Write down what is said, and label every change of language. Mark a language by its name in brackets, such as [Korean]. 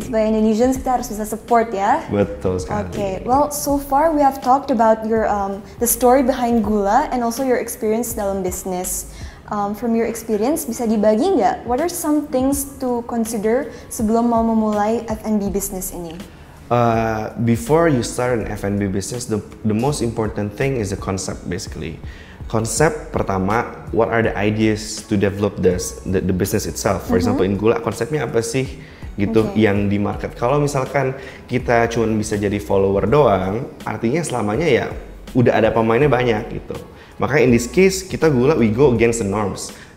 [Indonesian] And sebagai Indonesians, kita harus bisa support ya. Betul sekali. [English] Okay, well, so far we have talked about your the story behind gula and also your experience dalam business. From your experience, [Indonesian] bisa dibagi nggak? [English] What are some things to consider [Indonesian] sebelum mau memulai [English] F&B business ini? Before you start an F&B business, the most important thing is the concept basically. [Indonesian] Konsep pertama, [English] what are the ideas to develop the business itself? For example, [Indonesian] in gula konsepnya apa sih gitu yang di market? Kalau misalkan kita cuma bisa jadi follower doang, artinya selamanya ya udah ada pemainnya banyak gitu. Makanya [English] in this case kita gula we go against the norms.